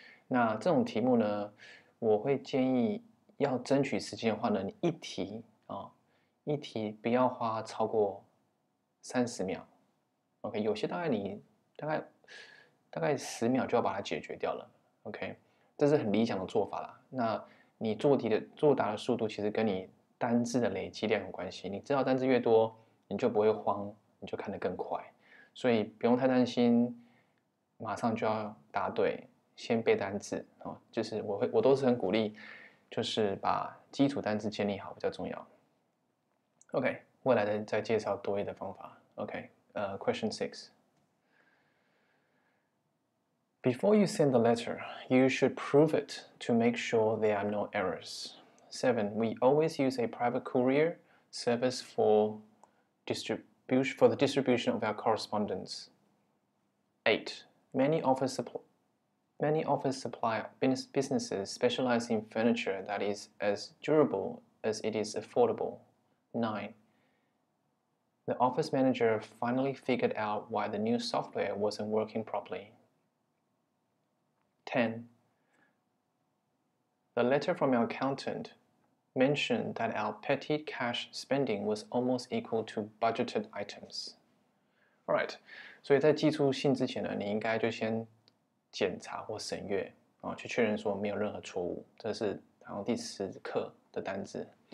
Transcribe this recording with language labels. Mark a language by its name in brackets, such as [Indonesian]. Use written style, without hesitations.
[Chinese] 那这种题目呢, 我会建议要争取时间的话呢, 你一题, 哦, 一题不要花超过 30秒, okay, 有些大概 10秒就要把它解决掉了, okay, 这是很理想的做法啦, 那你做题的作答的速度其实跟你单字的累积量有关系, 你知道单字越多, 你就不会慌, 你就看得更快, 所以不用太担心, 马上就要答对, 先背单字，就是我都是很鼓励，就是把基础单字建立好比较重要。OK，未来的再介绍多一的方法。OK， [English] Question 6. Before you send the letter, you should proof it to make sure there are no errors. 7. We always use a private courier service for the distribution of our correspondence. 8. Many office supply businesses specialize in furniture that is as durable as it is affordable. 9. The office manager finally figured out why the new software wasn't working properly. 10. The letter from our accountant mentioned that our petty cash spending was almost equal to budgeted items. All right. [Chinese] 所以在寄出信之前呢，你应该就先 检查或审阅，去确认说没有任何错误，这是好像第10课的单字。